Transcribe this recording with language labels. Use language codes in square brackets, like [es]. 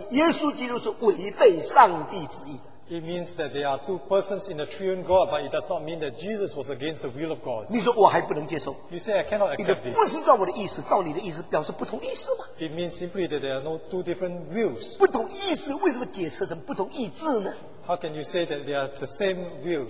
[zh] 这句话是表示有不同的意志，不同的位格，不等于耶稣基督是违背上帝旨意。 [en] It means that there are two persons in the triune God, but it does not mean that Jesus was against the will of God. [zh] 你说我还不能接受。 [en] You say I cannot accept this. [zh] 不是照我的意思，照你的意思表示不同意思吗？ [en] It means simply that there are no two different wills. [zh] 不同意思为什么解释成不同意志呢？ [en] How can you say that they are the same will?